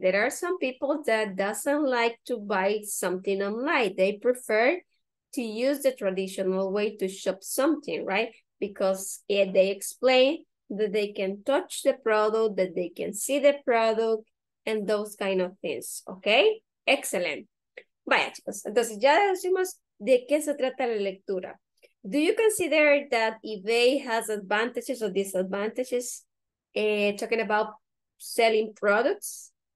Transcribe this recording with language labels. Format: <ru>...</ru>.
<en>There are some people that doesn't like to buy something online. They prefer to use the traditional way to shop something, right? Because they explain that they can touch the product, that they can see the product, and those kind of things, okay? Excellent.</en> <es>Vaya, chicos, entonces ya decimos de qué se trata la lectura.</es> <en>Do you consider that eBay has advantages or disadvantages talking about selling products?</en>